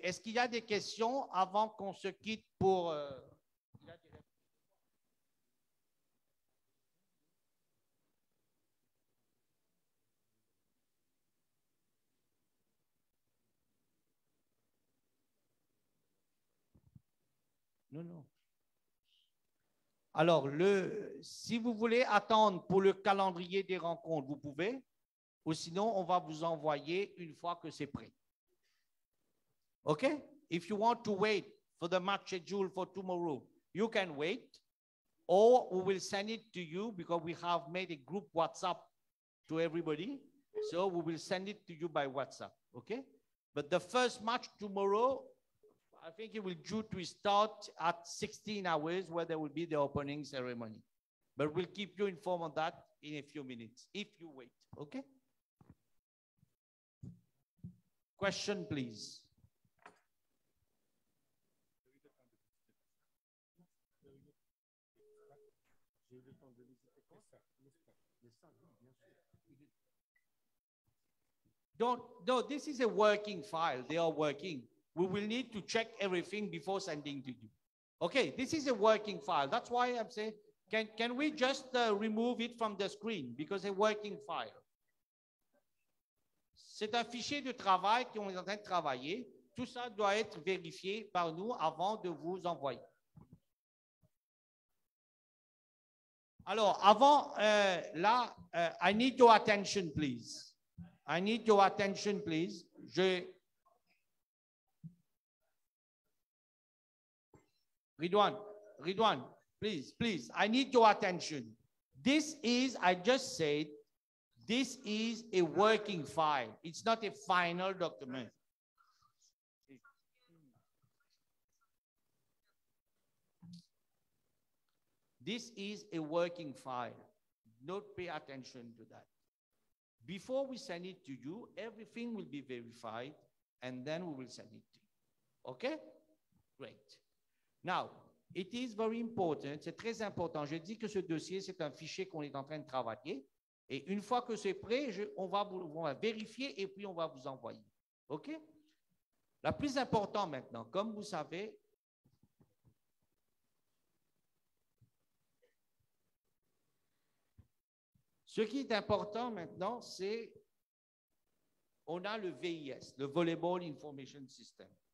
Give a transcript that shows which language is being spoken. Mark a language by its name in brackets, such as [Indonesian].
[French] Est-ce qu'il y a des questions avant qu'on se quitte pour Non. Alors, si vous voulez attendre pour le calendrier des rencontres, vous pouvez, ou sinon, on va vous envoyer une fois que c'est prêt. OK? [English] If you want to wait for the match schedule for tomorrow, you can wait, or we will send it to you because we have made a group WhatsApp to everybody. So we will send it to you by WhatsApp. OK? But the first match tomorrow, I think it will due to start at 16 hours where there will be the opening ceremony. But we'll keep you informed on that in a few minutes, if you wait, okay? Question, please. This is a working file. They are working. We will need to check everything before sending to you. Okay, this is a working file. That's why I'm saying, can we just remove it from the screen? Because a working file. [French] C'est un fichier de travail qu'on est en train de travailler. Tout ça doit être vérifié par nous avant de vous envoyer. Alors, avant, [English] I need your attention, please. I need your attention, please. Je Ridwan, please. I need your attention. This is, I just said, this is a working file. It's not a final document. This is a working file. Don't pay attention to that. Before we send it to you, everything will be verified, and then we will send it to you. Okay? Great. Now, it is very important. [French] C'est très important. Je dis que ce dossier, c'est un fichier qu'on est en train de travailler. Et une fois que c'est prêt, on va vérifier et puis on va vous envoyer. OK? La plus importante maintenant, comme vous savez, ce qui est important maintenant, c'est on a le VIS, le Volleyball Information System.